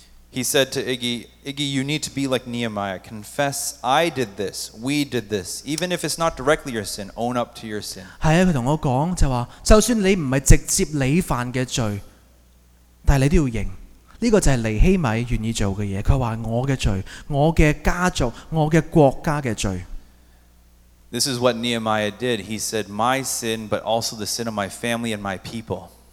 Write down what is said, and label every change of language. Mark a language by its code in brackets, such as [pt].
[en] He said to Iggy, you need to be like Nehemiah. Confess, I did this, we did this. Even if it's not directly your sin, own up to your sin. [zh] 是的,他跟我說,就算你不是直接你犯的罪,但你都要認。他說我的罪,我的家族,我的國家的罪。 [en] This is what Nehemiah did. He said, my sin, but also the sin of my family and my people.